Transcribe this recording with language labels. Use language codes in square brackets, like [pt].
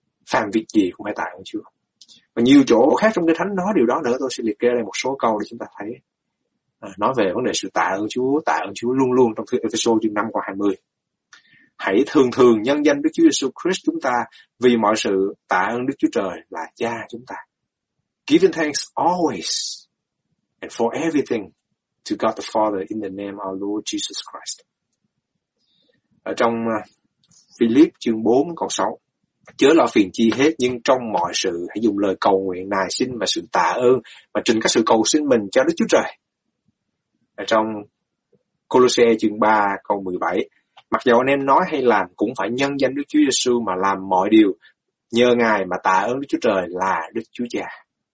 [vi] Phàm việc gì cũng phải tạ ơn Chúa. Và nhiều chỗ khác trong Kinh Thánh nói điều đó nữa, tôi sẽ liệt kê đây một số câu để chúng ta thấy. Nói về vấn đề sự tạ ơn Chúa luôn luôn trong thư Ê-phê-sô chương 5 qua 20. Hãy thường thường nhân danh Đức Chúa Jesus Christ chúng ta vì mọi sự tạ ơn Đức Chúa Trời là Cha chúng ta. [en] Giving thanks always and for everything to God the Father in the name of our Lord Jesus Christ. [vi] Ở trong Philip chương 4 câu 6, chớ lo phiền chi hết, nhưng trong mọi sự hãy dùng lời cầu nguyện, nài xin và sự tạ ơn và trình các sự cầu xin mình cho Đức Chúa Trời. Ở trong Colossae chương 3 câu 17, mặc dầu anh em nói hay làm cũng phải nhân danh Đức Chúa Giêsu mà làm mọi điều, nhờ Ngài mà tạ ơn Đức Chúa Trời là Đức Chúa Cha.